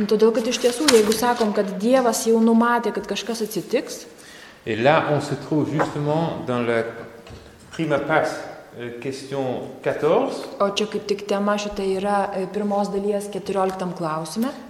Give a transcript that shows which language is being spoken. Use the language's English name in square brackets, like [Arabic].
[Lithuanian] todėl, kad iš tiesų, jeigu sakom, kad Dievas jau numatė, kad kažkas atsitiks, [French] et là, on se trouve justement dans la prima passe. Question 14. [Lithuanian] O čia kaip tik tema šita yra pirmos dalies 14 klausime.